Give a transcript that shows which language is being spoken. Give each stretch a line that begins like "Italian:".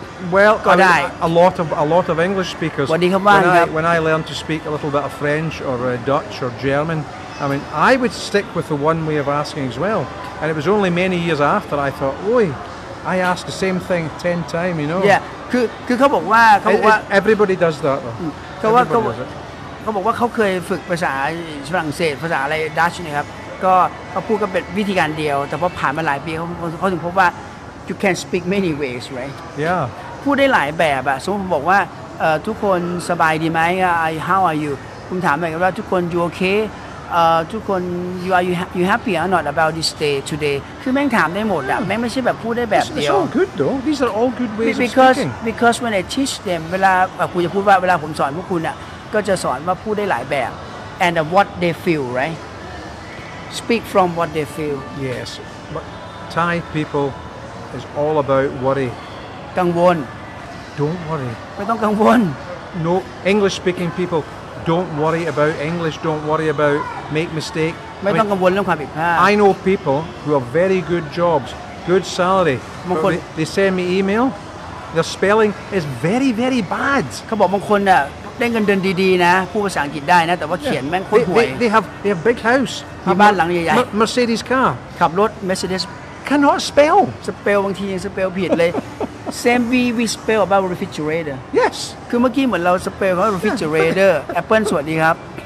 English: Well, a lot of English speakers. When I learned to speak a little bit of French or Dutch or German, I mean, I would stick with the one way of asking as well. And it was only many years after I thought, oi, I asked the same thing 10 times, you know.
Thai: Yeah, คือเขาบอกว่าเขาบอกว่า
English: everybody does that though.
Thai: เขาบอกว่าเขาเคยฝึกภาษาฝรั่งเศสภาษาอะไรดัชนะครับก็เขาพูดก็เป็นวิธีการเดียวแต่พอผ่านมาหลายปีเขาถึงพบว่า
English: you can speak many ways right yeah
Thai: พูดได้หลายแบบอะสมมติผมบอกว่าทุกคนสบายดีไหม
English: how are you
Thai: คุณถามอะไรกันว่าทุกคน you okay ทุกคน
English: you happy or not about this day today
Thai: คือแม่งถามได้หมดอะแม่งไม่ใช่แบบพูดได้แบบเดียว
English: it's all good though these are all good ways because when I teach them
Thai: เวลาคุณจะพูดว่าเวลาผมสอนพวกคุณอะก็จะสอนว่าพูดได้หลายแบบ
English: and what they feel right speak from what they feel yes but Thai people is all about worry
Thai: กังวล
English: don't worry
Thai: ไม่ต้องกังวล
English: no English speaking people don't worry about English don't worry about make mistake
Thai: ไม่ต้องกังวลเรื่องความผิดพลาด
English: I know people who have very good jobs good salary they send me email their spelling is very very bad
Thai: เขาบอกบางคนอะได้เงินเดือนดีๆนะพูดภาษาอังกฤษได้นะแต่ว่าเขียนแม่งโคตรห่วย
English: they have big house
Thai: มีบ้านหลังใหญ่
English: ๆ Mercedes car
Thai: ขับรถ Mercedes
English: cannot spell
Thai: บางทียังสเปลผิดเลย
English: same we spell about refrigerator yes
Thai: คือเมื่อกี้เหมือนเราสเปลว่า refrigerator apple สวัสดีครับ